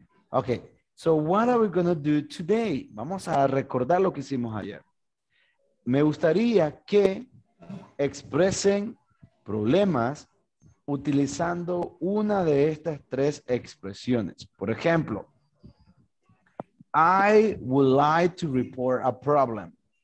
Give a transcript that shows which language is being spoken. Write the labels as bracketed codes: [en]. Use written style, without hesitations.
[en] Okay, so what are we going to do today? [es] Vamos a recordar lo que hicimos ayer. Me gustaría que expresen problemas utilizando una de estas tres expresiones. Por ejemplo, [en] I would like to report a problem.